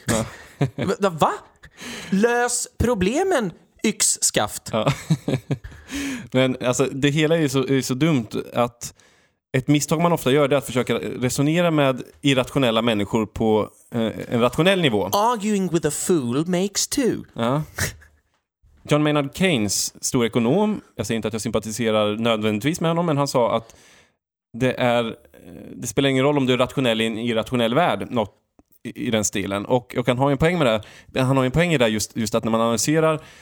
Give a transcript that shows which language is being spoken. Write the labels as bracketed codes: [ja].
[sv] Ja. Va? Lös problemen, yxskaft. Ja. Men alltså, det hela är så dumt att ett misstag man ofta gör är att försöka resonera med irrationella människor på en rationell nivå. [en] Arguing with a fool makes two. [sv] Ja. John Maynard Keynes, stor ekonom, jag säger inte att jag sympatiserar nödvändigtvis med honom, men han sa att det spelar ingen roll om du är rationell i en irrationell värld, något i den stilen. Och han har ju en poäng i det just att när man analyserar